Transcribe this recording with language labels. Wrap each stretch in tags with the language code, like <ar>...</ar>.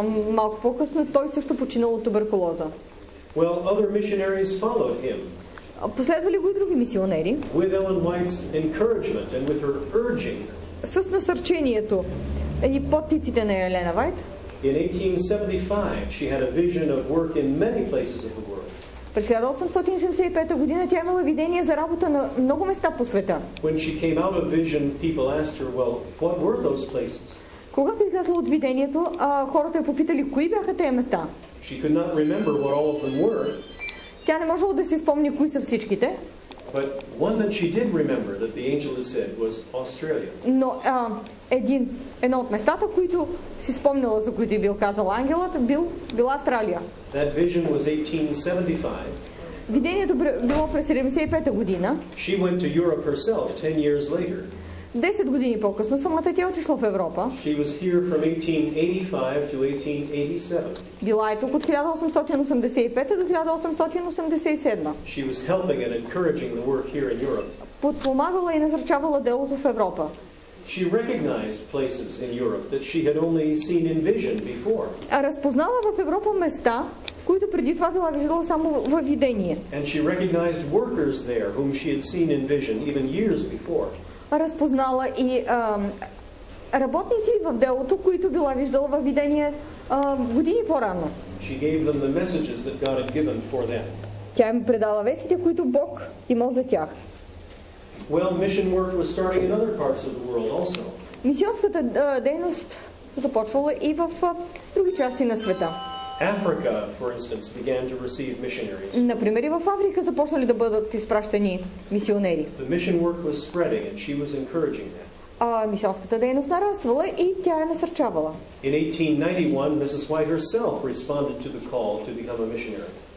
<bg>Малко по-късно той също починал от туберкулоза.</bg> <en>Well, other missionaries followed him.</en> <bg>Последвали го и други мисионери.</bg> <en>With Ellen White's encouragement and with her urging.</en> <bg>С насърчението и подтиците на Елена Вайт.</bg> <en>In 1875, she had a vision of work in many places of the world.</en> <bg>През 1875 година тя имала видение за работа на много места по света.</bg> <en>When she came out of vision, people asked her, "Well, what were those places?"</en> <bg>Когато излязла от видението, хората я попитали кои бяха тези места.</bg> <en>She could not remember what all of them were.</en> <bg>Тя не можела да си спомни кои са всичките.</bg> <en>But one that she did remember that the angel had said was Australia.</en> <bg>Но едно от местата, които си спомнила, за които бил казал ангелът, била Австралия.</bg> <en>That vision was 1875.</en> <bg>Видението било през 75-та година.</bg> <en>She went to Europe herself 10 years later.</en> <bg>10 години по-късно самата тя отишла в Европа.</bg> <en>She was here from 1885 to 1887.</en> <bg>Била е тук от 1885 до 1887.</bg> <en>She was helping and encouraging the work here in Europe.</en> <bg>Подпомагала и насърчавала делото в Европа.</bg> <en>She recognized places in Europe that she had only seen in vision before.</en> <bg>Разпознала в Европа места, които преди това била виждала само в видение.</bg> <en>And she recognized workers there whom she had seen in vision even years before.</en> <bg>Разпознала и работници в делото, които била виждала във видение години по-рано.</bg> <en>She gave them the messages that God had given for them.</en> <bg>Тя им предала вестите, които Бог имал за тях.</bg> <en>Well, mission work was starting in other parts of the world also.</en> <bg>Мисионската дейност започвала и в други части на света.</bg> <en>Africa, for instance, began to receive missionaries.</en> <bg>Например, и в Африка започнали да бъдат изпращани мисионери.</bg> <en>The mission work was spreading and she was encouraging that.</en> <bg>Мисионската дейност нараствала и тя я насърчавала.</bg> <en>In 1891, Mrs. White herself responded to the call to become a missionary.</en>